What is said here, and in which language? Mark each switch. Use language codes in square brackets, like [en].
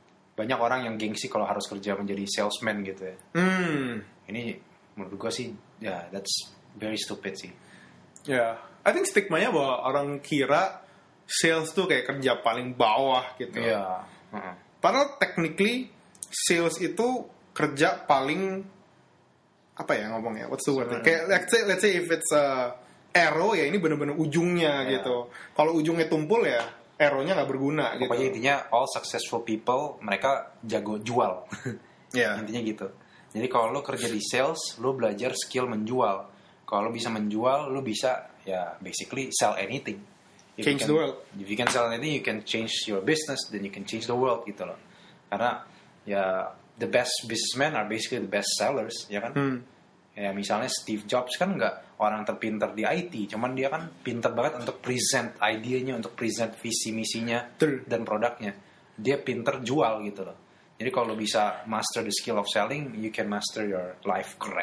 [id] Banyak orang yang gengsi kalau harus kerja menjadi salesman gitu ya. Ini menurut gue sih [en] that's very stupid [id] sih. [en] Yeah. I think [id] stigmanya bahwa orang kira sales tuh kayak kerja paling bawah gitu. Iya. Padahal technically sales itu kerja paling... apa ya ngomongnya, [en] what's the word? [id] Kayak [en] let's say if it's a arrow [id] ya ini benar-benar ujungnya gitu. Kalau ujungnya tumpul ya arrow-nya nggak berguna. Pokoknya gitu. Pokoknya intinya [en] all successful people [id] mereka jago jual. Intinya gitu. Jadi kalau lo kerja di sales, lo belajar skill menjual. Kalau lo bisa menjual, lo bisa ya [en] basically sell anything. If change can, the world. If you can sell anything, you can change your business, then you can change the world [id] gitu loh. Karena ya [en] the best businessmen are basically the best sellers, [id] ya kan? Ya misalnya Steve Jobs kan nggak orang terpinter di IT, cuman dia kan pinter banget untuk present idenya, untuk present visi misinya dan produknya. Dia pinter jual gitu loh. Jadi kalau bisa [en] master the skill of selling, you can master your life.